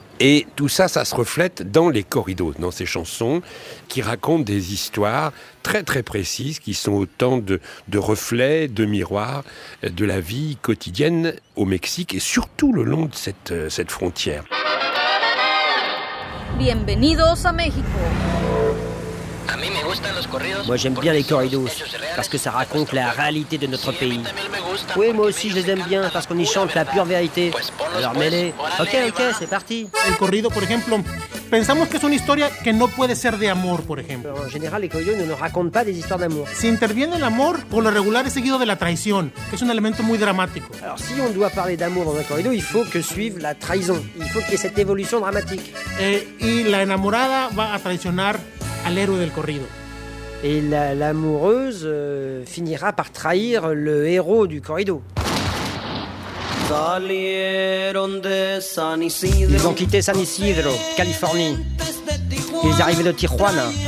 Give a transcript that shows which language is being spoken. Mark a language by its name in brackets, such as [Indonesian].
[French] Et tout ça, ça se reflète dans les corridos, dans ces chansons qui racontent des histoires très très précises, qui sont autant de reflets, de miroirs de la vie quotidienne au Mexique et surtout le long de cette frontière. [Spanish] Bienvenidos a México. [French] Moi j'aime bien les corridos parce que ça raconte la réalité de notre pays. Oui, moi aussi je les aime bien parce qu'on y chante la pure vérité. Alors mêlez. Ok, c'est parti. [Spanish] El corrido, por ejemplo, pensamos que es una historia que no puede ser de amor, por ejemplo. [French] En général, les corridos ne nous racontent pas des histoires d'amour. [Spanish] Si interviene el amor, por lo regular es seguido de la traición, que es un elemento muy dramático. [French] Alors si on doit parler d'amour dans un corrido, il faut que suive la trahison. Il faut qu'il y ait cette évolution dramatique. [Spanish] Y la enamorada va a traicionar al héroe del corrido. [French] Et l'amoureuse finira par trahir le héros du corrido. Ils ont quitté San Isidro, Californie. Ils arrivaient de Tijuana.